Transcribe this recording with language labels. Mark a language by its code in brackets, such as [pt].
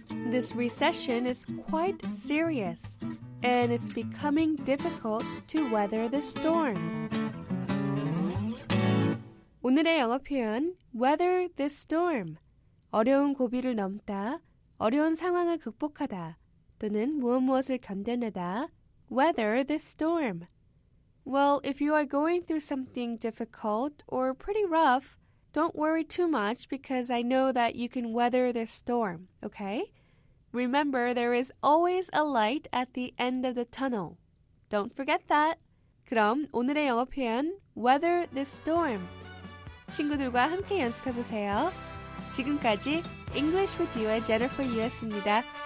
[en] This recession is quite serious, and it's becoming difficult to weather the storm. [ko] 오늘의 영어 표현, [en] weather the storm. [ko] 어려운 고비를 넘다, 어려운 상황을 극복하다, 또는 무엇무엇을 견뎌내다, weather the storm. [en] Well, if you are going through something difficult or pretty rough, don't worry too much because I know that you can weather the storm, okay? Remember, there is always a light at the end of the tunnel. Don't forget that. [ko] 그럼 오늘의 영어 표현, [en] weather the storm. [ko] 친구들과 함께 연습해보세요. 지금까지 English with You의 Jennifer Yu였습니다.